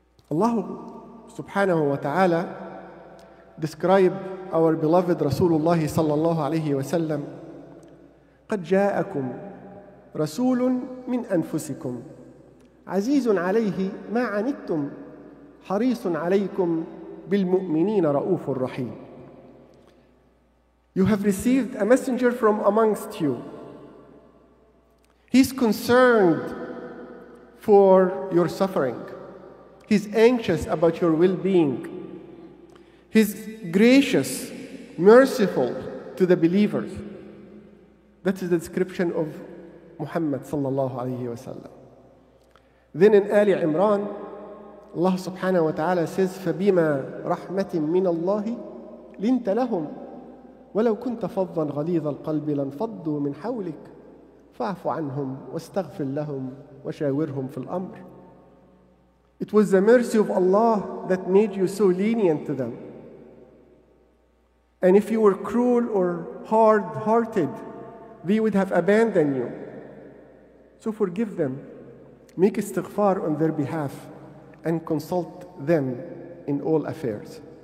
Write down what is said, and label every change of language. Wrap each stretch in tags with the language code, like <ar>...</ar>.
<en>Allah subhanahu wa ta'ala described our beloved Rasulullah sallallahu alayhi wa sallam,</en> <ar>قَدْ جَاءَكُمْ رَسُولٌ مِّنْ أَنفُسِكُمْ عَزِيزٌ عَلَيْهِ مَا عَنِتُّمْ حَرِيصٌ عَلَيْكُمْ بِالْمُؤْمِنِينَ رَؤُوفٌ رَحِيمٌ.</ar> <en>You have received a messenger from amongst you. He's concerned for your suffering. He's anxious about your well-being. He's gracious, merciful to the believers. That is the description of Muhammad sallallahu alayhi wa sallam. Then in Ali Imran, Allah subhanahu wa ta'ala says,</en> <ar>فَبِمَا رَحْمَةٍ مِّنَ اللَّهِ لِنْتَ لَهُمْ وَلَوْ كُنْتَ فَضًّا غَلِيظَ الْقَلْبِ لَنْفَضُّوا مِنْ حَوْلِكَ فَاعْفُ عَنْهُمْ وَاسْتَغْفِرْ لَهُمْ وَشَاوِرْهُمْ فِي الْأَمْرِ.</ar> <en>It was the mercy of Allah that made you so lenient to them. And if you were cruel or hard-hearted, they would have abandoned you. So forgive them, make istighfar on their behalf, and consult them in all affairs.</en>